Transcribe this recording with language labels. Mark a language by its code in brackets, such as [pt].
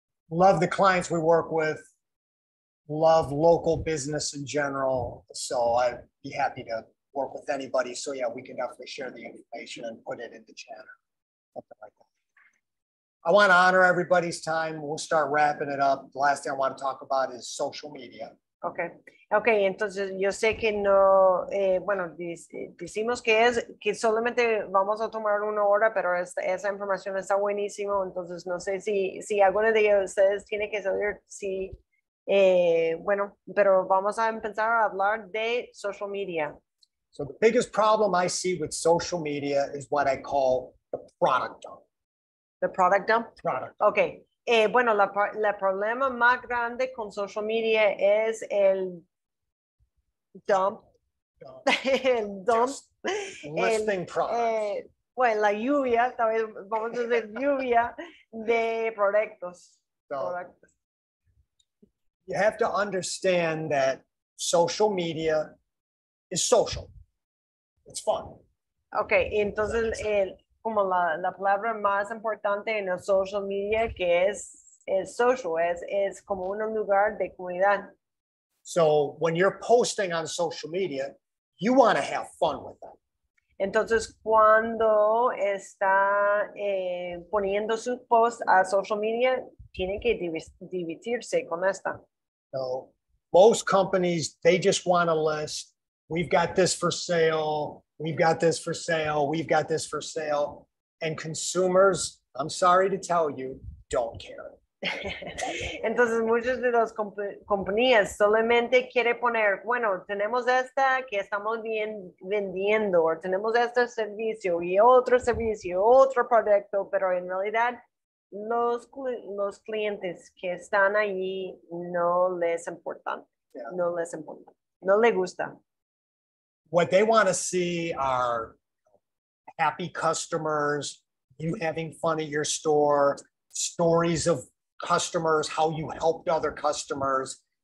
[en] love the clients we work with. Love local business in general, so I'd be happy to work with anybody. So yeah, we can definitely share the information and put it in the chat or something like that. I want to honor everybody's time. We'll start wrapping it up. The last thing I want to talk about is social media. [es] Okay. Entonces yo sé que no. Bueno, decimos que es que solamente vamos a tomar una hora, pero esa información está buenísimo. Entonces no sé si alguno de ustedes tiene que saber si. Bueno, pero vamos a empezar a hablar de social media. [en] So the biggest problem I see with social media is what I call the product dump. The product dump? Product. Okay. [es] Bueno, la problema más grande con social media es el dump. El dump. [en] Listing products. [es] Bueno, la lluvia, vamos a decir lluvia de productos. [en] You have to understand that social media is social. It's fun. [es] Okay, entonces como la palabra más importante en el social media que es social, es como un lugar de comunidad. [en] So when you're posting on social media, you want to have fun with them. [es] Entonces cuando está poniendo su post a social media, tiene que divertirse con esta. [en] So most companies, they just want a list. We've got this for sale. We've got this for sale. We've got this for sale. And consumers, I'm sorry to tell you, don't care. [es] Entonces, muchas de las compañías solamente quiere poner, bueno, tenemos esta que estamos vendiendo, o tenemos este servicio, otro producto, pero en realidad... Los clientes que están allí no les importan. [en] Yeah. [es] No les importan. No les gusta. [en] What they want to see are happy customers, you having fun at your store, stories of customers, how you helped other customers.